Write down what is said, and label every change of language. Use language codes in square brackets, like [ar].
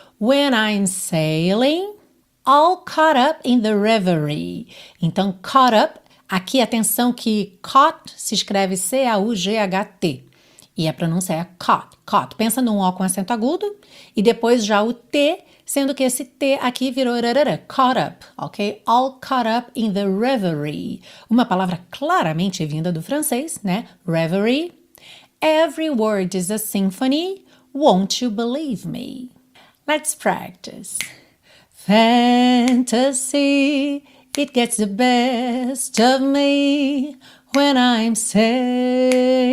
[en] When I'm sailing, all caught up in the reverie. [pt] Então, caught up, aqui atenção que caught se escreve C-A-U-G-H-T. E a pronúncia é caught, caught. Pensa num O com acento agudo e depois já o T, sendo que esse T aqui virou rarara, caught up, ok? [en] All caught up in the reverie. [pt] Uma palavra claramente vinda do francês, né? [en] Reverie. Every word is a symphony. Won't you believe me? Let's practice. Fantasy, it gets the best of me when I'm sailing.